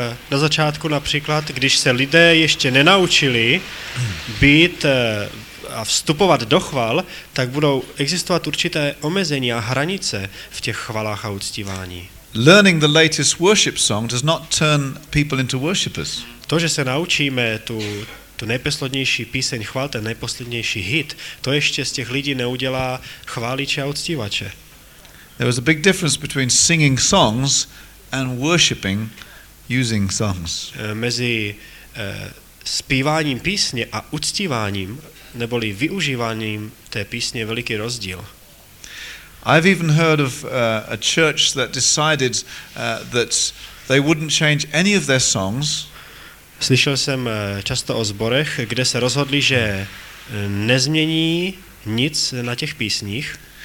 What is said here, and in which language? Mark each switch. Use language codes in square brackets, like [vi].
[cs] Na začátku například, když se lidé ještě nenaučili být a vstupovat do chval, tak budou existovat určité omezení a hranice v těch chvalách a uctívání. [en] Learning the latest worship song does not turn people into worshipers. [cs] To, že se naučíme tu nejposlednější píseň chvál, ten nejposlednější hit, to ještě z těch lidí neudělá chváliče a uctívače. [en] There was a big difference between singing songs and worshiping using songs. [cs] Mezi zpíváním písně a uctíváním, neboli využíváním té písně, veliký rozdíl. [en] I've even heard of a church that decided that they wouldn't change any of their songs. [cs] Slyšel jsem často o zborech, kde se rozhodli, že nezmění nic na těch písních.